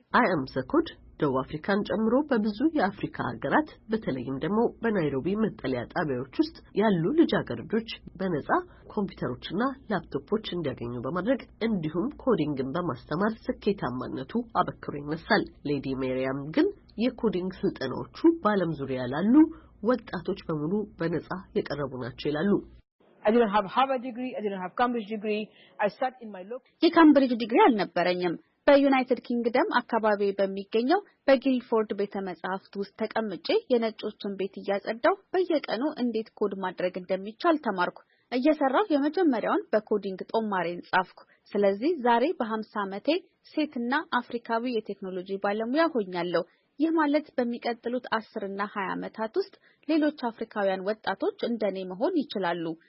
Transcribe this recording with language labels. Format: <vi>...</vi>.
<am>አይ አም ዘ ኮድ ደቡብ አፍሪካን ጨምሮ በብዙ የአፍሪካ ሀገራት በተለይም ደግሞ በናይሮቢ መጠለያ ጣቢያዎች ውስጥ ያሉ ልጃገረዶች በነጻ ኮምፒውተሮችና ላፕቶፖች እንዲያገኙ በማድረግ እንዲሁም ኮዲንግን በማስተማር ስኬታማነቱ አበክሮ ይነሳል። ሌዲ ሜሪያም ግን የኮዲንግ ስልጠናዎቹ በአለም ዙሪያ ላሉ ወጣቶች በሙሉ በነጻ የቀረቡ ናቸው ይላሉ።</am> <en>I didn't have Harvard degree, I didn't have Cambridge degree. I sat in my local</en> <am>የካምብሪጅ ዲግሪ አልነበረኝም። በዩናይትድ ኪንግደም አካባቢ በሚገኘው በጊልፎርድ ቤተ መጻሕፍት ውስጥ ተቀምጬ የነጮችን ቤት እያጸዳሁ በየቀኑ እንዴት ኮድ ማድረግ እንደሚቻል ተማርኩ። እየሰራሁ የመጀመሪያውን በኮዲንግ ጦማሬን ጻፍኩ። ስለዚህ ዛሬ በ50 አመቴ ሴትና አፍሪካዊ የቴክኖሎጂ ባለሙያ ሆኛለሁ። ይህ ማለት በሚቀጥሉት 10 እና 20 አመታት ውስጥ ሌሎች አፍሪካውያን ወጣቶች እንደኔ መሆን ይችላሉ።</am>